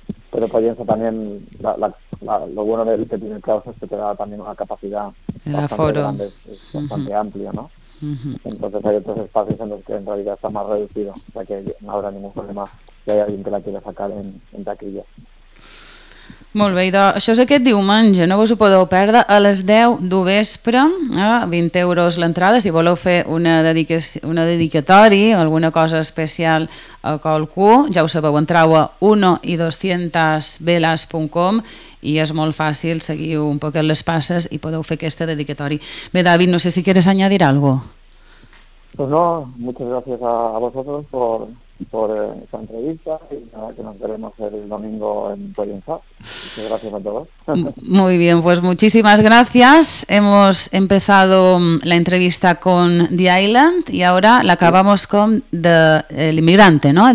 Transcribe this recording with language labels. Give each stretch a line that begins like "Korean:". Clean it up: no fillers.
Spanish: Pero por eso también lo bueno de él que tiene el caos es que te da también una capacidad el bastante aforo. Grande, es bastante amplio, ¿no? Entonces hay otros espacios en los que en realidad está más reducido, o sea que no habrá ningún problema si hay alguien que la quiera sacar en taquilla.
Catalan: Molt bé, idò, això és aquest diumenge, no vos ho podeu perdre, a les 10 du vespre, 20 euros l'entrada, si voleu fer una dedicatòria, alguna cosa especial a qualcú, ja ho sabeu, entrau a 1i200velas.com i és molt fàcil, seguir un poquet les passes i podeu fer aquesta dedicatòria. Bé,
Spanish: David, no sé si quieres añadir algo. Pues no, muchas gracias a vosotros por esta entrevista y nada, que nos veremos el domingo en Pollensa. Muchas gracias a todos. Muy bien, pues muchísimas gracias. Hemos empezado la entrevista con The Island y ahora la acabamos con el inmigrante, ¿no?